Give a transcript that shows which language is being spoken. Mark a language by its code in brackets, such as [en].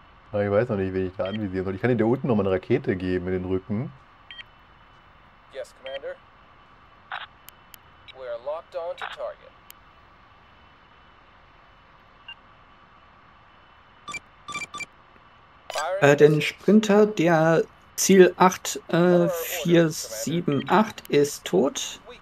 [de] Ich weiß noch nicht, wen ich da anvisieren soll. Ich kann dir da unten nochmal eine Rakete geben in den Rücken. [en] Yes, Commander. We are locked on to target. [de] Den Sprinter, der Ziel 8478 ist tot.